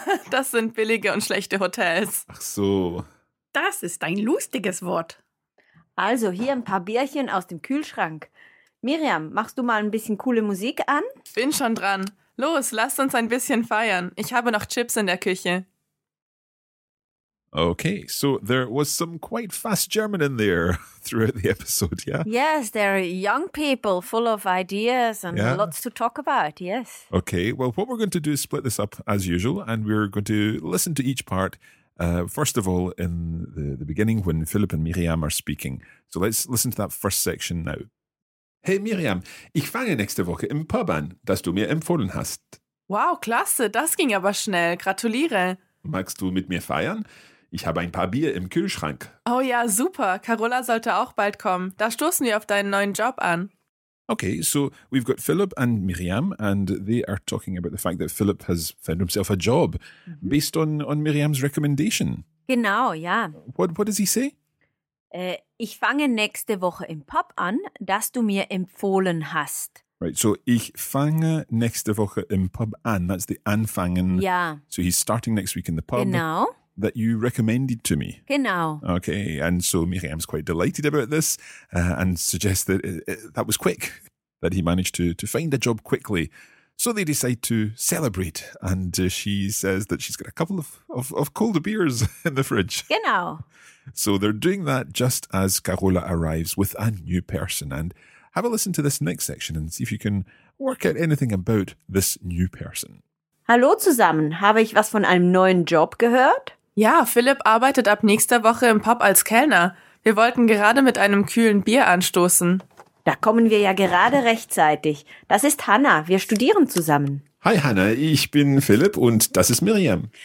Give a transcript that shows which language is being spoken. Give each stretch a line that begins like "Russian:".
German: Das sind billige und schlechte Hotels. Ach so. Das ist ein lustiges Wort. Also, hier ein paar Bierchen aus dem Kühlschrank. Miriam, machst du mal ein bisschen coole Musik an? Bin schon dran. Los, lasst uns ein bisschen feiern. Ich habe noch Chips in der Küche.
English: Okay, so there was some quite fast German in there throughout the episode, yeah? Yes, there are young people full of ideas and lots to talk about, yes. Okay, well, what we're going to do is split this up as usual, and we're going to listen to each part, first of all, in the beginning when Philipp and Miriam are speaking. So let's listen to that first section now.
German: Hey Miriam, ich fange nächste Woche im Pub an, das du mir empfohlen hast. Wow, klasse, das ging aber schnell. Gratuliere. Magst du mit mir feiern? Ich habe ein paar Bier im Kühlschrank. Oh ja, super. Carola sollte auch bald kommen. Da stoßen wir auf deinen neuen Job an.
English: Okay, so we've got Philip and Miriam and they are talking about the fact that Philip has found himself a job based on Miriam's recommendation.
German: Genau, ja.
English: What does he say?
German: Ich fange nächste Woche im Pub an, das du mir empfohlen hast.
English: Right, so
German: ich fange nächste Woche im Pub an.
English: That's the anfangen. Yeah. So he's starting next week in the pub.
German: Genau.
English: That you recommended to me.
German: Genau.
English: Okay, and so Miriam's quite delighted about this and suggests that that was quick, that he managed to find a job quickly. So they decide to celebrate, and she says that she's got a couple of cold beers in the fridge.
German: Genau.
English: So they're doing that just as Carola arrives with a new person. And have a listen to this next section and see if you can work out anything about this new person.
German: Hallo zusammen. Habe ich was von einem neuen Job gehört? Ja, Philipp arbeitet ab nächster Woche im Pub als Kellner. Wir wollten gerade mit einem kühlen Bier anstoßen. Da kommen wir ja gerade rechtzeitig. Das ist Hanna. Wir studieren zusammen. Hi Hanna, ich bin Philipp und das ist Miriam.